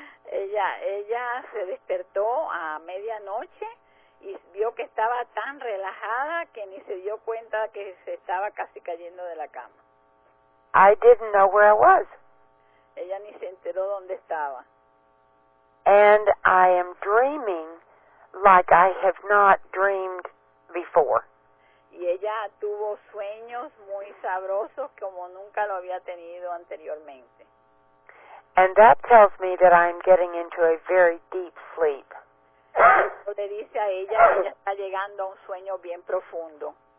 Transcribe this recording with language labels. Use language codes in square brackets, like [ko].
[es] Ella se despertó a medianoche y vio que estaba tan relajada que ni se dio cuenta que se estaba casi cayendo de la cama. [en] I didn't know where I was. [es] Ella ni se enteró dónde estaba. [en] And I am dreaming like I have not dreamed before. [es] Y ella tuvo sueños muy sabrosos como nunca lo había tenido anteriormente. [en] And that tells me that I'm getting into a very deep sleep. [es] Le dice a ella que ella está llegando a un sueño bien profundo.